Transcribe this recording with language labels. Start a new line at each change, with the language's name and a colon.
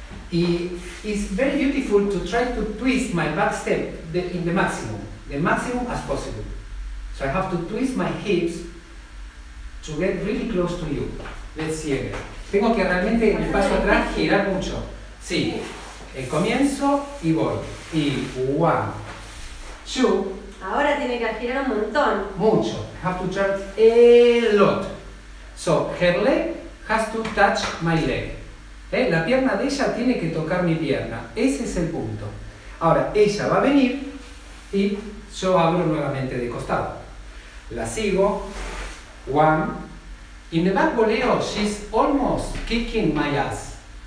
English: Y it's very beautiful to try to twist my back step in the maximum as possible. So I have to twist my hips to get really close to you. Let's see again.
Spanish: Tengo que realmente el paso atrás girar mucho. Sí. El comienzo y voy. Y 1, 2. Ahora tiene que girar un montón. Mucho.
English: I have to charge a lot. So her leg has to touch my leg. ¿Eh?
Spanish: La pierna de ella tiene que tocar mi pierna. Ese es el punto. Ahora ella va a venir y yo abro nuevamente de costado. La sigo. One.
English: In the back voleo, she's almost kicking my ass.